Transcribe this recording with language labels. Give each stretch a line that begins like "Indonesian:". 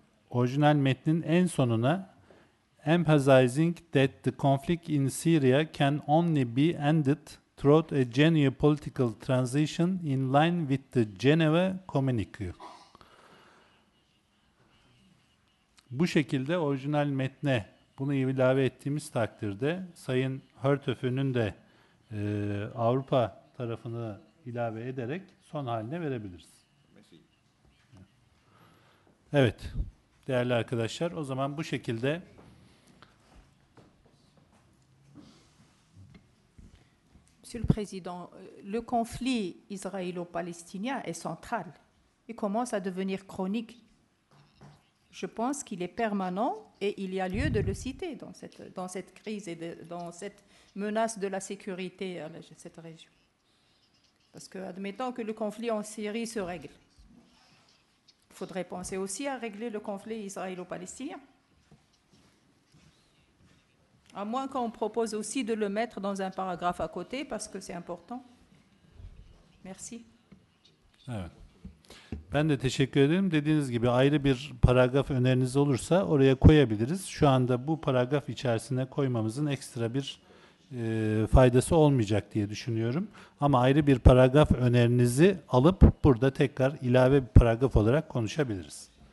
Turkish: Orijinal metnin en sonuna
English: emphasizing that the conflict in Syria can only be ended through a genuine political transition in line with the Geneva Communique.
Turkish: Bu şekilde orijinal metne bunu ilave ettiğimiz takdirde Sayın Hortefeux'ün de Avrupa tarafını ilave ederek son haline verebiliriz. Evet, değerli arkadaşlar, o zaman bu şekilde
French: Monsieur le Président, le conflit israélo-palestinien est central. Il commence à devenir chronique. Je pense qu'il est permanent et il y a lieu de le citer dans cette crise et dans cette menace de la sécurité à cette région. Parce que, admettons que le conflit en Syrie se règle, il faudrait penser aussi à régler le conflit israélo-palestinien. À moins qu'on propose aussi de le mettre dans un paragraphe à côté, parce que c'est important. Merci.
Turkish: Evet. Ben de teşekkür ederim. Dediğiniz gibi ayrı bir paragraf öneriniz olursa oraya koyabiliriz. Şu anda bu paragraf içerisine koymamızın ekstra bir faydası olmayacak diye düşünüyorum. Ama ayrı bir paragraf önerinizi alıp burada tekrar ilave bir paragraf olarak konuşabiliriz.